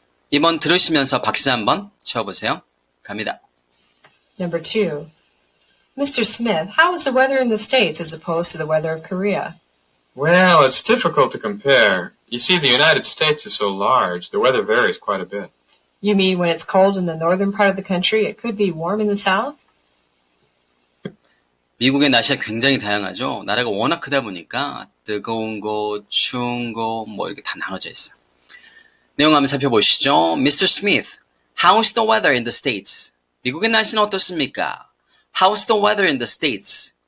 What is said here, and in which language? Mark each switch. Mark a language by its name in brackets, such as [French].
[Korean] 이번 들으시면서 박수 한번 쳐보세요. 갑니다. [English] Number 2. Mr. Smith, how is the weather in the States as opposed to the weather of Korea? Well, it's difficult to compare. You see, the United States is so large, the weather varies quite a bit. You mean when it's cold in the northern part of the country, it could be warm in the south? [Korean] 미국의 날씨가 굉장히 다양하죠. 나라가 워낙 크다 보니까 뜨거운 거, 추운 거, 뭐 이렇게 다 나눠져 있어요. 내용 한번 살펴보시죠. [English] Mr. Smith, how's the weather in the States? [Korean] 미국의 날씨는 어떻습니까? [English] How's the weather in the States?